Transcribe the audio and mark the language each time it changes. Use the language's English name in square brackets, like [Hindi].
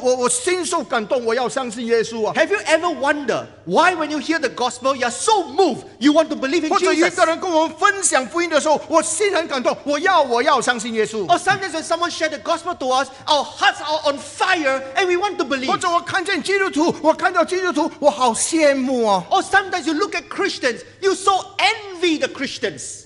[Chinese] 为什么你听见福音的时候，你说，哎呀，我心受感动，我要相信耶稣。 [English] Have you ever wondered why when you hear the gospel, you are so moved, you want to believe in Jesus? [Chinese] 或者一个人跟我们分享福音的时候，我心很感动，我要相信耶稣。 [English] Or sometimes when someone shared the gospel to us, our hearts are on fire and we want to believe. [Chinese] 或者我看见基督徒，我看到基督徒，我好羡慕。 [English] Or sometimes you look at Christians, you so envy the Christians.